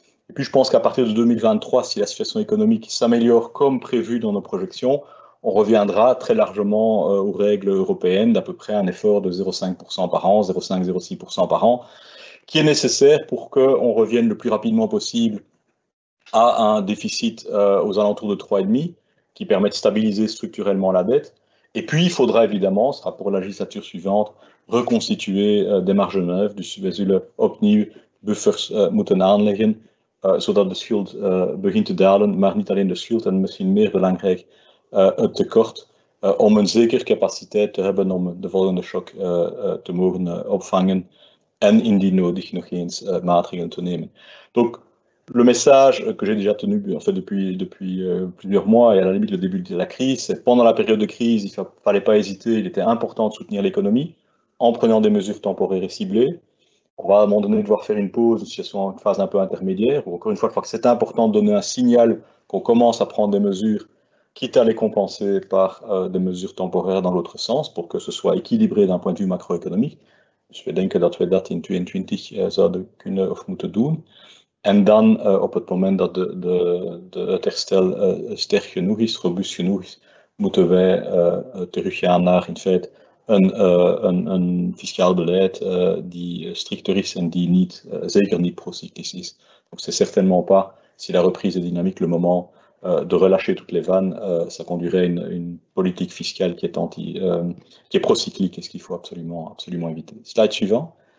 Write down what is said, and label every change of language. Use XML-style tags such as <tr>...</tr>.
<fr>Et puis, je pense qu'à partir de 2023, si la situation économique s'améliore comme prévu dans nos projections, on reviendra très largement aux règles européennes d'à peu près un effort de 0,5% par an, 0,5-0,6% par an, qui est nécessaire pour qu'on revienne le plus rapidement possible à un déficit aux alentours de 3,5%, qui permet de stabiliser structurellement la dette. Et puis, il faudra évidemment, ce sera pour la législature suivante, reconstituer des marges neuves,</fr> <nl>du subvisuel opnieuw buffers moeten aanleggen, zodat de schuld begint te dalen, maar niet alleen de schuld, en misschien meer belangrijk het tekort, om een zekere capaciteit te hebben om de volgende shock te mogen opvangen en indien nodig nog eens maatregelen te nemen.</nl> <fr>Donc, le message que j'ai déjà tenu en fait, depuis plusieurs mois et à la limite le début de la crise, c'est pendant la période de crise, il ne fallait pas hésiter, il était important de soutenir l'économie en prenant des mesures temporaires et ciblées. On va à un moment donné devoir faire une pause, une situation en phase un peu intermédiaire. Ou encore une fois, je crois que c'est important de donner un signal qu'on commence à prendre des mesures, quitte à les compenser par des mesures temporaires dans l'autre sens, pour que ce soit équilibré d'un point de vue macroéconomique. Je vais</fr> <nl>denken dat we dat in 2020 zouden kunnen of moeten doen. En dan op het moment dat het herstel sterk genoeg is, robuust genoeg is, moeten wij teruggaan naar in feite een fiscaal beleid die stricter is en die niet, zeker niet pro-cyclisch is.</nl> <fr>Donc c'est certainement pas, si la reprise est dynamique, le moment de relâcher toutes les vannes. Ça conduirait à une politique fiscale qui est anti, qui est pro-cyclique et ce qu'il faut absolument éviter. Slide suivant.</fr>